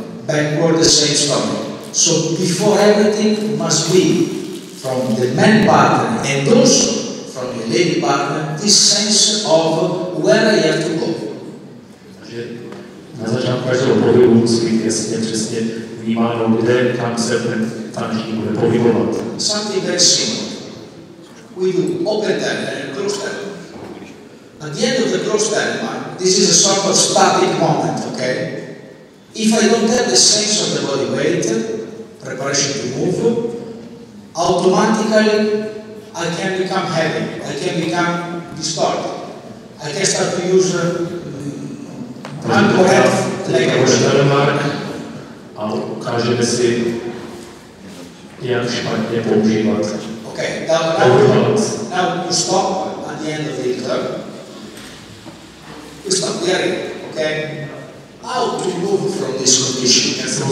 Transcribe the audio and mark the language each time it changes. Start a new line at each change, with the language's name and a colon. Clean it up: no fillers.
English: Backward, the same story. So before everything must be from the man partner and also from the lady partner, this sense of where I have to go.
Czech: Na začátku každého pohybu musí být jasně přesně vnímáno, kde, kam se ten tanční bude pohybovat.
English: Something very simple. We do open tempo and cross tempo. At the end of the cross tempo, this is a sort of static moment, okay? If I don't have the sense of the body weight, preparation to move, automatically I can become heavy, I can become distorted. I can start to use incorrect language.
Czech: Ale ukážeme si, jak špatně používat.
English: Okay, now you stop at the end of the turn. You stop there, okay? How to move from this condition?